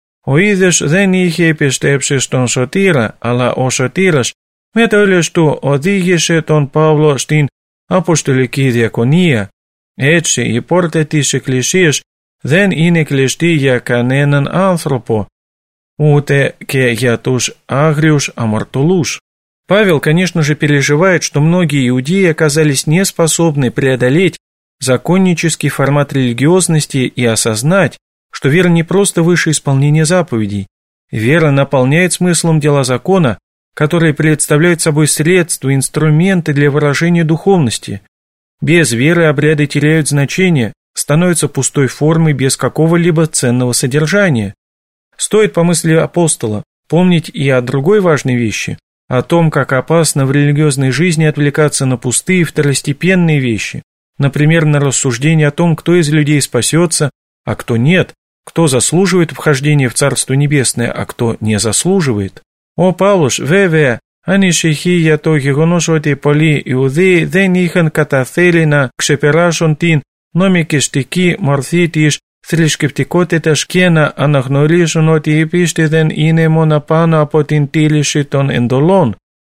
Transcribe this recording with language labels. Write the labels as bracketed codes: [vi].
[el] Ο ίδιος δεν είχε πιστέψει στον Σωτήρα, αλλά ο Σωτήρας με τα όλια του οδήγησε τον Παύλο στην Αποστολική Διακονία. Έτσι, η πόρτα της Εκκλησίας δεν είναι κλειστή για κανέναν άνθρωπο, ούτε και για τους άγριους αμαρτωλούς. [ru] Павел, конечно же, переживает, что многие иудеи оказались неспособны преодолеть законнический формат религиозности и осознать, что вера не просто выше исполнения заповедей. Вера наполняет смыслом дела закона, которые представляют собой средства, инструменты для выражения духовности. Без веры обряды теряют значение, становятся пустой формой без какого-либо ценного содержания. Стоит, по мысли апостола, помнить и о другой важной вещи, о том, как опасно в религиозной жизни отвлекаться на пустые второстепенные вещи, например, на рассуждение о том, кто из людей спасется, а кто нет, кто заслуживает вхождения в Царство Небесное, а кто не заслуживает. [el] Ο Παύλος βέβαια ανησυχεί για το γεγονός ότι πολλοί Ιουδαίοι δεν είχαν καταφέρει να ξεπεράσουν την νομικιστική μορφή της θρησκευτικότητας και να αναγνωρίσουν ότι η πίστη δεν είναι μόνο πάνω από την τήρηση των εντολών.